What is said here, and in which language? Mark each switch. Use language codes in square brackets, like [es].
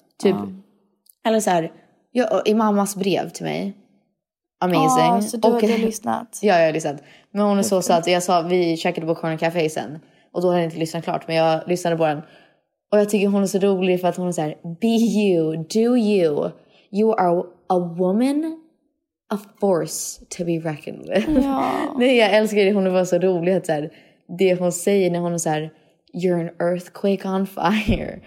[sv] Typ, eller så här, i mammas brev till mig, amazing. Ja, så du har lyssnat. Ja, jag har lyssnat. Men hon är så att jag sa, vi checkade på Corner Café sen, och då hade jag inte lyssnat klart, men jag lyssnade på den. Och jag tycker hon är så rolig för att hon är så här, [en] be you, do you, you are... A woman, a force to be reckoned with. [sv] Ja. Nej, jag älskar det. Hon var så rolig att så här, det hon säger när hon är så här, [en] you're an earthquake on fire.